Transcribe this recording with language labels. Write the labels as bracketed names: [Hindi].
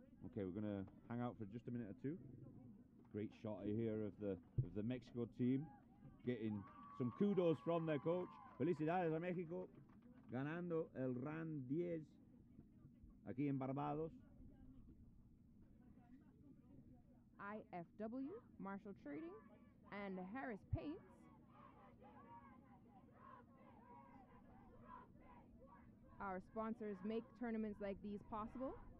[English] Okay, we're gonna hang out for just a minute or two. Great shot here of the Mexico team getting some kudos from their coach. [Spanish] Felicidades a Mexico ganando el Ran 10 aquí en Barbados. [English] IFW, Marshall Trading, and Harris Paints. Our sponsors make tournaments like these possible.